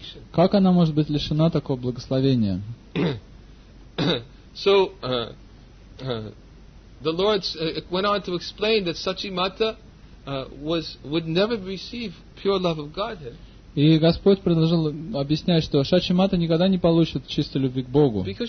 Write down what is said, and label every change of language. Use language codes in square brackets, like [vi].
[ru] Как она может быть лишена такого благословения? [en] So, the Lord went on to explain that Сачи Мата would never receive pure love of Godhead. [ru] И Господь продолжал объяснять, что Сачи Мата никогда не получит чистой любви к Богу.